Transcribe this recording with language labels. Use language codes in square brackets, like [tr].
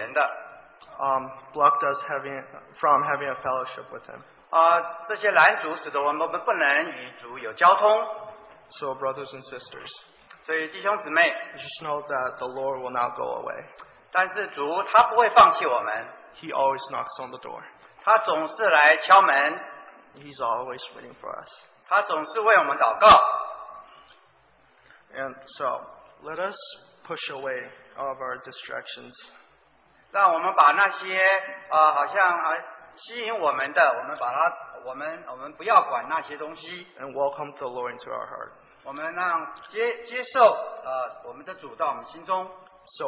[zh] 但是在我们的生命当中，生活当中，好像都有一些拦阻我们，有些好像不能到主面前的。 [en] blocked us from having a fellowship with Him. [zh] 这些拦阻使得我们不能与主有交通。 [en] So brothers and sisters, [zh] 所以弟兄姊妹, [en] you just know that the Lord will not go away. [zh] 但是主他不会放弃我们。 [en] He always knocks on the door. [zh] 他总是来敲门。 [en] He's always waiting for us. [zh] 他总是为我们祷告。 [en] And so, let us push away all of our distractions. [zh] 让我们把那些好像吸引我们的，我们不要管那些东西。 [en] And welcome the Lord into our heart. [zh] 我们让接受我们的主到我们心中。 [en] So